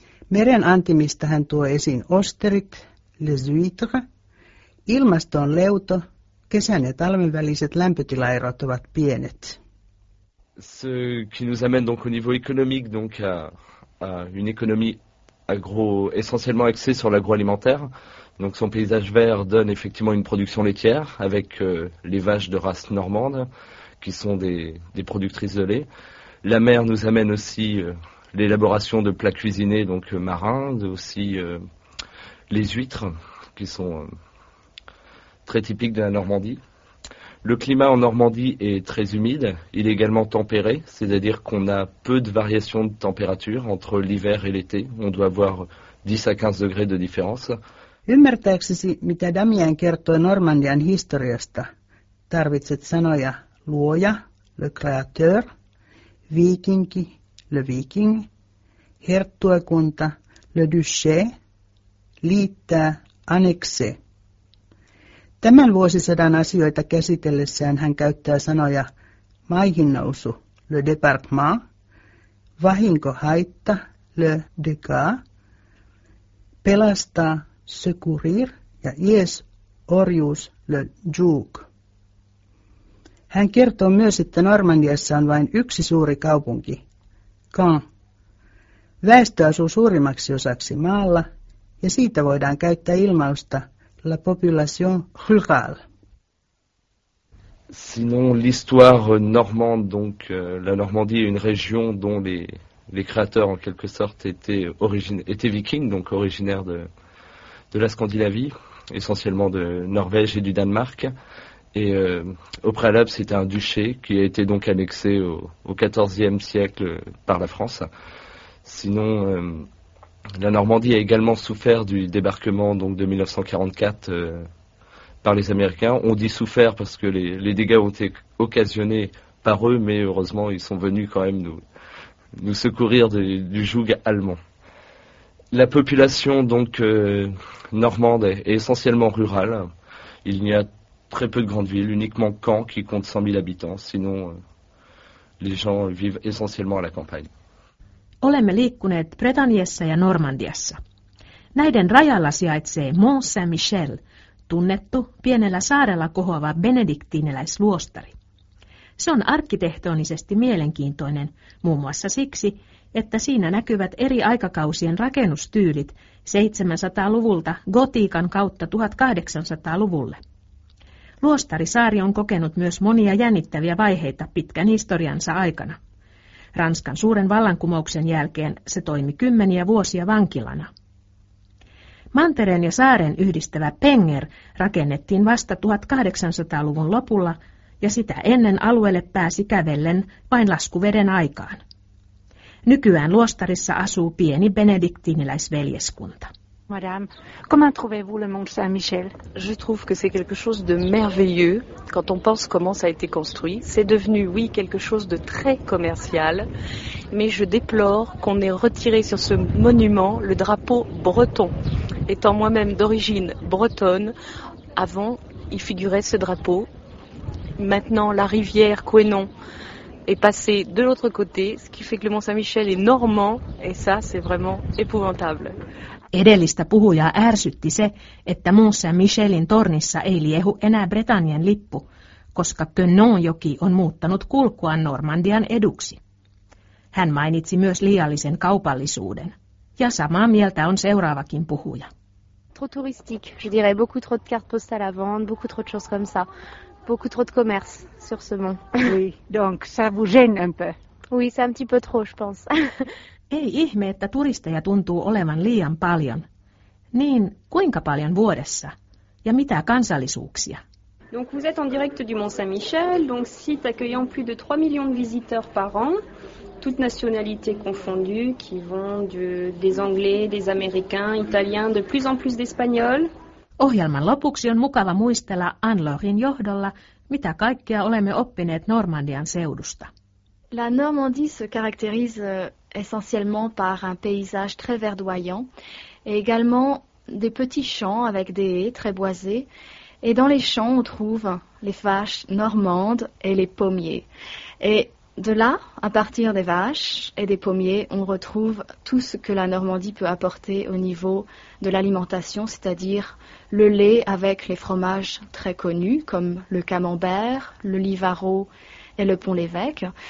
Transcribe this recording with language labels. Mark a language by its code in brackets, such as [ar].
[fi] Meren antimista hän tuo esiin osterit, [fr] les huîtres, [fi] ilmaston leuto, kesän ja talven väliset lämpötilaerot ovat pienet. [fr] Ce qui nous amène donc au niveau économique, donc à une économie agro essentiellement axée sur l'agroalimentaire. Donc son paysage vert donne effectivement une production laitière avec les vaches de race normande qui sont des productrices de lait. La mer nous amène aussi l'élaboration de plats cuisinés donc marins, aussi les huîtres qui sont très typiques de la Normandie. Le climat en Normandie est très humide, il est également tempéré, c'est-à-dire qu'on a peu de variations de température entre l'hiver et l'été. On doit avoir 10 à 15 degrés de différence. [fi] Ymmärtääksesi, mitä Damien kertoi Normandian historiasta, tarvitset sanoja luoja, [fr] le créateur, [fi] viikinki, [fr] le viking, [fi] herttuakunta, [fr] le duché, [fi] liittää, annexe. Tämän vuosisadan asioita käsitellessään hän käyttää sanoja maihinnousu, [fr] le département, [fi] vahinkohaitta, [fr] le dégât, [fi] pelastaa, secourir ja ies, orjuus, [fr] le joug. [fi] Hän kertoo myös, että Normandiassa on vain yksi suuri kaupunki, Caen. Väestö asuu suurimmaksi osaksi maalla ja siitä voidaan käyttää ilmausta [fr] la population rurale. Sinon, l'histoire normande, donc la Normandie est une région dont les créateurs, en quelque sorte, étaient vikings, donc originaires de la Scandinavie, essentiellement de Norvège et du Danemark. Et au préalable, c'était un duché qui a été donc annexé au XIVe siècle par la France. Sinon, la Normandie a également souffert du débarquement donc de 1944 par les Américains. On dit souffert parce que les dégâts ont été occasionnés par eux, mais heureusement, ils sont venus quand même nous secourir du joug allemand. La population donc normande est essentiellement rurale. Il n'y a très peu de grandes villes, uniquement Caen qui compte 100 000 habitants. Sinon, les gens vivent essentiellement à la campagne. [fi] Olemme liikkuneet Bretagnessa ja Normandiassa. Näiden rajalla sijaitsee Mont-Saint-Michel, tunnettu pienellä saarella kohoava benediktiiniläisluostari. Se on arkkitehtonisesti mielenkiintoinen, muun muassa siksi, että siinä näkyvät eri aikakausien rakennustyylit 700-luvulta gotiikan kautta 1800-luvulle. Luostarisaari on kokenut myös monia jännittäviä vaiheita pitkän historiansa aikana. Ranskan suuren vallankumouksen jälkeen se toimi kymmeniä vuosia vankilana. Mantereen ja saaren yhdistävä Penger rakennettiin vasta 1800-luvun lopulla, ja sitä ennen alueelle pääsi kävellen vain laskuveden aikaan. Nykyään luostarissa asuu pieni benediktiiniläisveljeskunta. [fr] Madame, comment trouvez-vous le Mont Saint-Michel? Je trouve que c'est quelque chose de merveilleux quand on pense comment ça a été construit. C'est devenu, oui, quelque chose de très commercial, mais je déplore qu'on ait retiré sur ce monument le drapeau breton. Étant moi-même d'origine bretonne, avant, il figurait ce drapeau. Maintenant, la rivière Couesnon est passée de l'autre côté, ce qui fait que le Mont Saint-Michel est normand, et ça, c'est vraiment épouvantable. [fi] Edellistä puhujaa ärsytti se, että Mont Saint-Michelin tornissa ei liehu enää Bretagnen lippu, koska Quenon-joki on muuttanut kulkuaan Normandian eduksi. Hän mainitsi myös liiallisen kaupallisuuden. Ja samaa mieltä on seuraavakin puhuja. [fr] Trop touristique, je dirais beaucoup trop de cartes postales à vendre, beaucoup trop de choses comme ça. Beaucoup trop de commerce sur ce mont. Oui, donc ça vous gêne un peu. Oui, c'est un petit peu trop, je pense. [fi] Ei ihme, että turisteja tuntuu olevan liian paljon. Niin, kuinka paljon vuodessa? Ja mitä kansallisuuksia? [fr] Donc vous êtes en direct du Mont Saint-Michel, donc site accueillant plus de 3 millions de visiteurs par an, toutes nationalités confondues, qui vont des Anglais, des Américains, Italiens, de plus en plus d'Espagnols. [fi] Ohjelman lopuksi on mukava muistella Anne-Laurin johdolla, mitä kaikkea olemme oppineet Normandian seudusta. [fr] La Normandie se caractérise essentiellement par un paysage très verdoyant et également des petits champs avec des haies très boisées. Et dans les champs, on trouve les vaches normandes et les pommiers. Et de là, à partir des vaches et des pommiers, on retrouve tout ce que la Normandie peut apporter au niveau de l'alimentation, c'est-à-dire le lait avec les fromages très connus comme le camembert, le livaro et le pont-l'évêque.